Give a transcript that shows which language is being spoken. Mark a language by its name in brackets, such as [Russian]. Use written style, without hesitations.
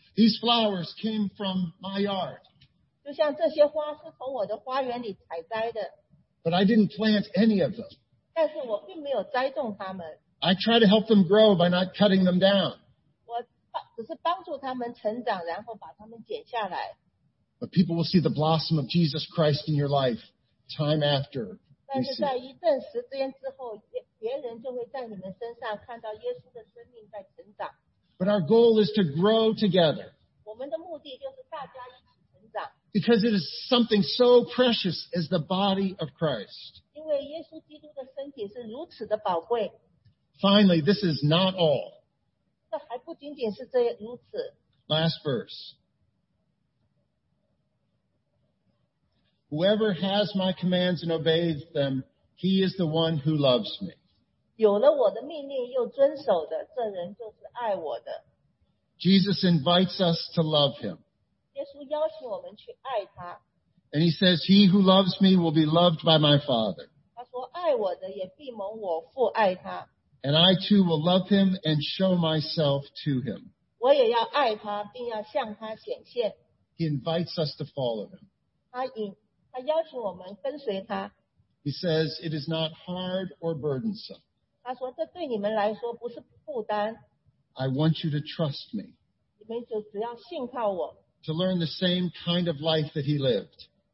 [English] These flowers came from my yard. [Chinese] 就像这些花是从我的花园里采摘的。 [English] But I didn't plant any of them. [Chinese] 但是我并没有栽种它们。 [English] I try to help them grow by not cutting them down. [Chinese] 我只是帮助它们成长，然后把它们剪下来。 [English] But people will see the blossom of Jesus Christ in your life time after. [Chinese] 但是在一段时间之后，别人就会在你们身上看到耶稣的生命在成长。 [English] But our goal is to grow together. [Chinese] 我们的目的就是大家一起成长。 [English] Because it is something so precious as the body of Christ. [Chinese] 因为耶稣基督的身体是如此的宝贵。 [English] Finally, this is not all. [Chinese] 这还不仅仅是这如此。 [English] Last verse. Whoever has my commands and obeys them, he is the one who loves me. [Chinese] 有了我的命令又遵守的, 这人就是爱我的。 [English] Jesus invites us to love him. [Chinese] 耶稣邀请我们去爱他。 [English] And he says, he who loves me will be loved by my Father. [Chinese] 他说爱我的也必蒙我父爱他。 [English] And I too will love him and show myself to him. [Chinese] 我也要爱他并要向他显现。 [English] He invites us to follow him. [Chinese] 他邀请我们跟随他。 [English] He says, it is not hard or burdensome. [Chinese] 他说这对你们来说不是负担。 [English] I want you to trust me. [Chinese] 你们就只要信靠我。 [English] To learn the same kind of life that he lived.